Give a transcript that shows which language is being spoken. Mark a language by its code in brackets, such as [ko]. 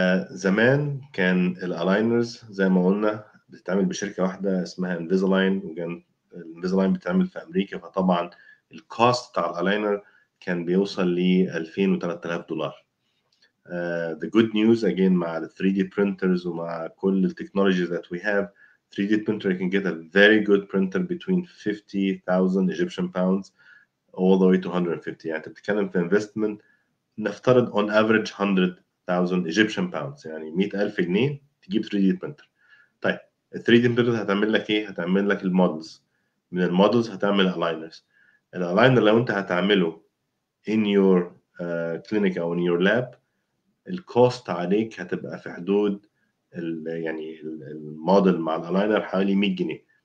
[ar] زمان كان الالاينرز زي ما قلنا بتتعمل بشركة واحدة اسمها انفيزلاين، وكان الانفيزلاين بتتعمل في أمريكا، فطبعا الكوست بتاع الالاينر كان بيوصل ل 2000 و3000 دولار. [en] The good news again [ar] مع [en] 3D printers [ar] ومع كل التكنولوجي [en] that we have، 3D printer, you can get a very good printer between 50,000 Egyptian pounds all the way to 150. [ar] يعني تتكلم في investment نفترض [en] on average 100,000 Egyptian pounds, [ar] يعني 100,000 جنيه تجيب 3D printer. طيب ال 3D printer هتعمل لك ايه؟ هتعمل لك المودلز. من المودلز هتعمل aligners. الالاينر لو انت هتعمله [en] in your clinic [ar] او [en] in your lab, [ar] الكوست عليك هتبقى في حدود يعني الموديل مع الالاينر حوالي 100 جنيه.